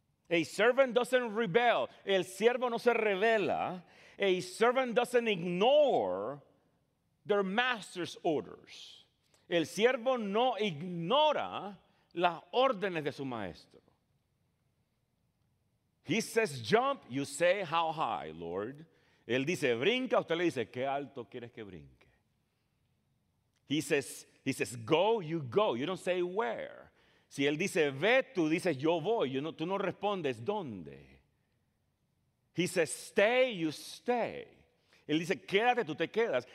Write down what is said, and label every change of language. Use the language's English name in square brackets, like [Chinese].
[English] A servant doesn't rebel. [Spanish] El siervo no se rebela. [English] A servant doesn't ignore their master's orders. [Spanish] El siervo no ignora las órdenes de su maestro. [English] He says, jump, you say, how high, Lord. [Spanish] Él dice, brinca, usted le dice, ¿qué alto quieres que brinque? [English] He says, go, you go. You don't say where. [Spanish] Si él dice, ve, tú dices, yo voy. Tú no respondes, ¿dónde? [English] He says, stay, you stay. [Spanish] Él dice, quédate, tú te quedas.